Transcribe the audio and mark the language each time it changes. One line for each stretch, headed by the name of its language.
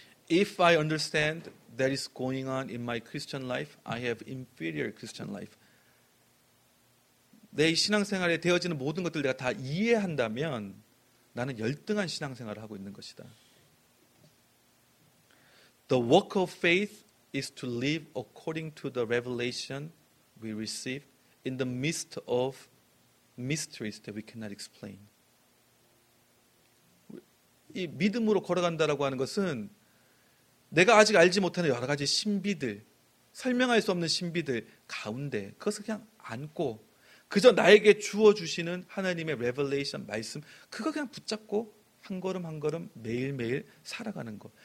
English: If I understand that is going on in my Christian life, I have inferior Christian life.
Korean: 내 신앙생활에 되어지는 모든 것들 내가 다 이해한다면 나는 열등한 신앙생활을 하고 있는 것이다.
English: The work of faith is to live according to the revelation we receive in the midst of mysteries that we cannot explain.
Korean: 이 믿음으로 걸어간다라고 하는 것은 내가 아직 알지 못하는 여러 가지 신비들, 설명할 수 없는 신비들 가운데 그것을 그냥 안고 그저 나에게 주어주시는 하나님의 레벨레이션, 말씀, 그거 그냥 붙잡고 한 걸음 한 걸음 매일매일 살아가는 것.